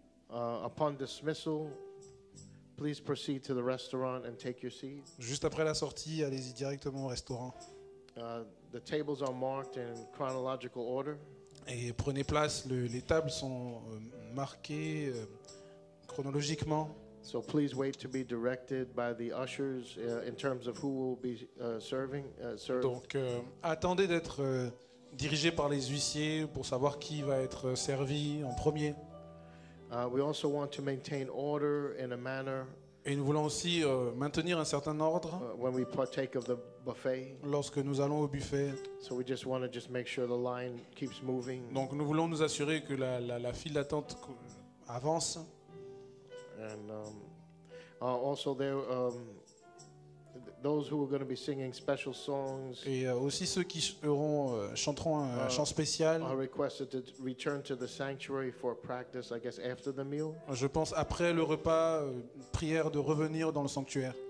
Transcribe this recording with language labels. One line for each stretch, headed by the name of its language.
English: Upon dismissal, please proceed to the restaurant and take your seat.
French: Juste après la sortie, allez-y directement au restaurant.
English: The tables are marked in chronological order.
French: Et prenez place, les tables sont marquées chronologiquement.
English: So please wait to be directed by the ushers in terms of who will be serving. Served.
French: Donc attendez d'être dirigé par les huissiers pour savoir qui va être servi en premier.
English: We also want to maintain order in a manner.
French: Et nous voulons aussi maintenir un certain ordre
English: when we partake of the buffet.
French: Lorsque nous allons au buffet.
English: So we just want to just make sure the line keeps moving.
French: Donc nous voulons nous assurer que la file d'attente avance.
English: And, Also there, those who are going to be singing special songs.
French: Et aussi ceux qui seront chanteront un chant spécial.
English: Are requested to return to the sanctuary for practice, I guess, after the meal.
French: Je pense après le repas, prière de revenir dans le sanctuaire.